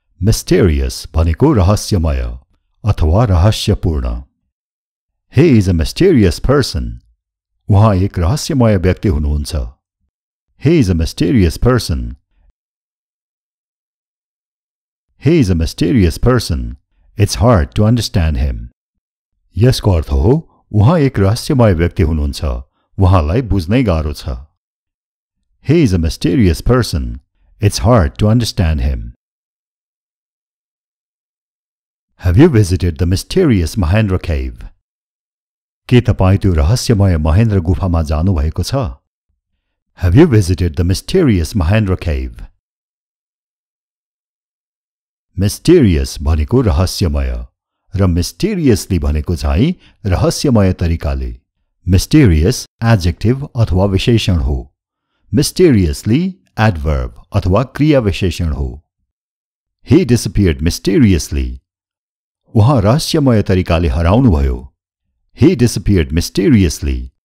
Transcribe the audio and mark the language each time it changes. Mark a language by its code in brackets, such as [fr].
[ne] Mysterious भनेको रहस्यमय अथवा रहस्यपूर्ण [en] he is a mysterious person [ne] उहाँ एक रहस्यमय व्यक्ति हुनुहुन्छ [en] He is a mysterious person He is a mysterious person. It's hard to understand him. [ne] यसको अर्थ हो, उहाँ एक रहस्यमय व्यक्ति हुनुहुन्छ, उहाँलाई बुझ्नै गाह्रो छ. [en] He is a mysterious person. It's hard to understand him. Have you visited the mysterious Mahendra cave? [ne] के तपाईं त्यो रहस्यमय महेन्द्र गुफामा जानुभएको छ? [en] Have you visited the mysterious Mahendra cave? [ne] Mysterious भनेको रहस्यमय र mysteriously भनेको चाहिँ रहस्यमय तरिकाले mysterious adjective अथवा विशेषण हो mysteriously adverb अथवा क्रिया विशेषण हो [en] He disappeared mysteriously [ne] उहाँ रहस्यमय तरिकाले हराउनु भयो He disappeared mysteriously